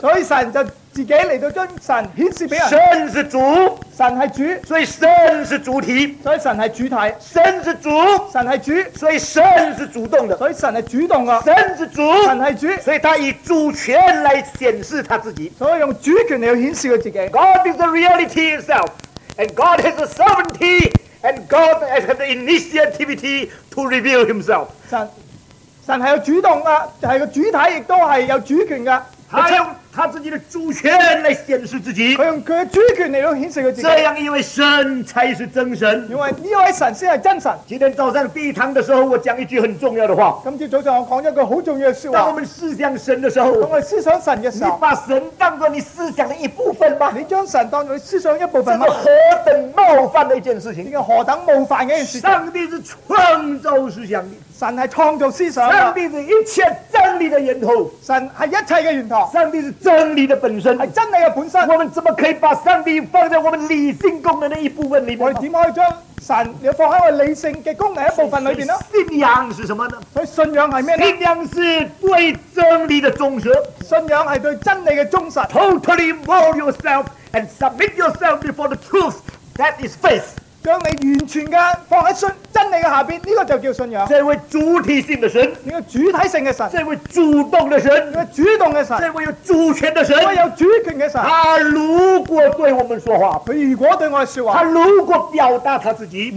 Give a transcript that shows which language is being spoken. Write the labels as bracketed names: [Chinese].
[Chinese] 所以神就自己来到将神显示给人。神是主，神是主，所以神是主题，所以神是主题。神是主，神是主，所以神是主动的，所以神是主动的。神是主，神是主，所以他以主权来显示他自己，所以用主权来显示他自己。 [English] God is the reality itself and God has the sovereignty and God has the initiativity to reveal himself。 [Chinese] 神是有主动的，是个主体，也是有主权的。他用他自己的主权来显示自己，他用他的主权来显示自己。这样一位神才是真神，因为这位神才是真神。今天早上第一堂的时候，我讲一句很重要的话。今天早上我讲一个很重要的事。当我们思想神的时候，当我思想神的时候，你把神当作你思想的一部分吗？你将神当作你思想一部分吗？这是何等冒犯的一件事情，这个何等冒犯的一件事情。上帝是创造思想的，神是创造思想的，上帝是一切真理的源头，神是一切的源头，上帝是真理的本身，是真理的本身。我们怎么可以把上帝放在我们理性功能的一部分里面？我们怎么可以将神放在我们理性的功能一部分里面呢？信仰是什么呢？所以信仰是什么呢？信仰是对真理的忠实，信仰是对真理的忠实。 [English] Totally involve yourself and submit yourself before the truth that is faith， [Chinese] 将你完全的放在信真理的下面，这个就叫信仰。这位主体性的神，这个主体性的神，这位主动的神，这个主动的神，这位有主权的神，这位有主权的神。他如果对我们说话，他如果对我们说话，他如果表达他自己，